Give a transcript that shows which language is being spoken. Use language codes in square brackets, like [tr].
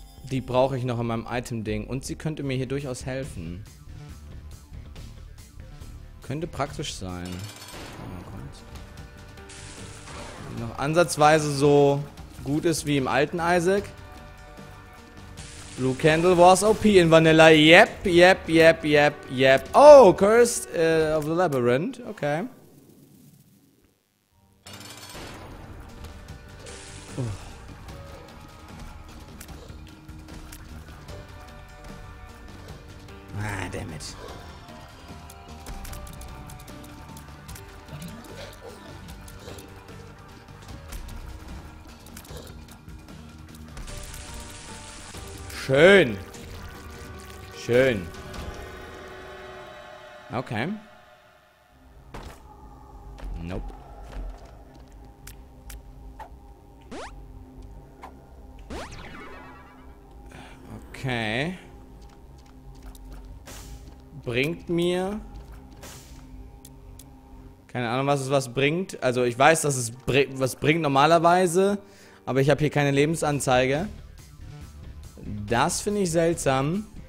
[de] Die brauche ich noch in meinem Item-Ding. Und sie könnte mir hier durchaus helfen. Könnte praktisch sein. Noch ansatzweise so gut ist wie im alten Isaac. [en] Blue Candle was OP in Vanilla. Yep, yep, yep, yep, yep. Oh, Cursed of the Labyrinth. Okay. Ah, damn it. [de] Schön. Schön. Okay. [en] Nope. Okay. [de] Bringt mir... Keine Ahnung, was es was bringt. Also ich weiß, dass es was bringt normalerweise. Aber ich habe hier keine Lebensanzeige. Das finde ich seltsam.